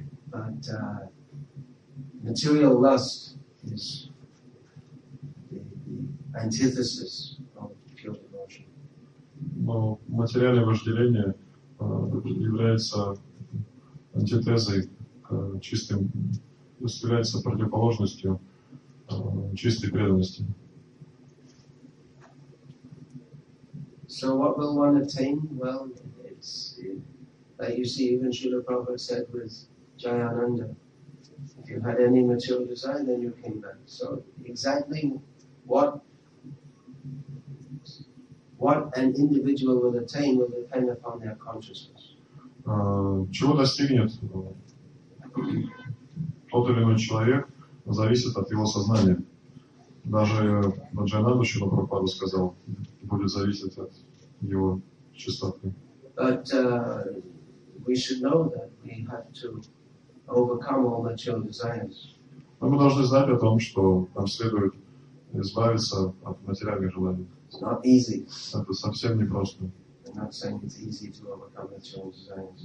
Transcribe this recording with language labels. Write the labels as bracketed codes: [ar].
[en] But material lust is the antithesis of pure devotion. [ru] Но материальное вожделение является антитезой к чистым, является противоположностью чистой преданности. [en] So what will one attain? Well, it's like you see, even Srila Prabhupada said with Jayananda, if you had any material desire, then you came back. So exactly what an individual will attain will depend upon their consciousness. [ru] Чего достигнет тот или иной человек, зависит от его сознания. Даже Джайананда Шрила Прабхупада сказал, будет зависеть от его чистоты. [en] But we should know that we have to overcome all material desires. [ru] Но мы должны знать о том, что нам следует избавиться от материальных желаний. [en] It's not easy. [ru] Это совсем не просто. [en] I'm not saying it's easy to overcome material desires.